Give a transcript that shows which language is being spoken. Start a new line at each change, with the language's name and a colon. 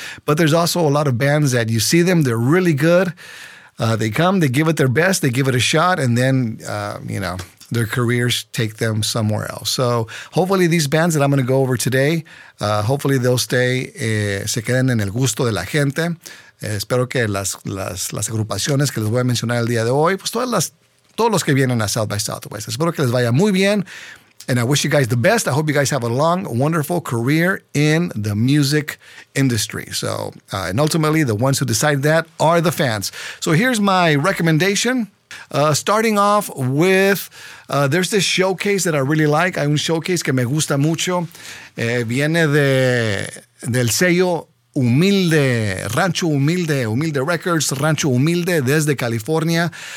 English: But there's also a lot of bands that you see them, they're really good. They come, they give it their best, they give it a shot, and then, you know, their careers take them somewhere else. So hopefully these bands that I'm going to go over today, hopefully they'll stay,
Spanish: se queden en el gusto de la gente. Espero que las agrupaciones que les voy a mencionar el día de hoy, pues todos los que vienen a South by Southwest, espero que les vaya muy bien.
English: And I wish you guys the best. I hope you guys have a long, wonderful career in the music industry. So, and ultimately the ones who decide that are the fans. So here's my recommendation. Starting off with, there's this showcase that I really like.
Spanish: Hay un showcase que me gusta mucho. Viene del sello Humilde, Rancho Humilde, Humilde Records, Rancho Humilde, desde California.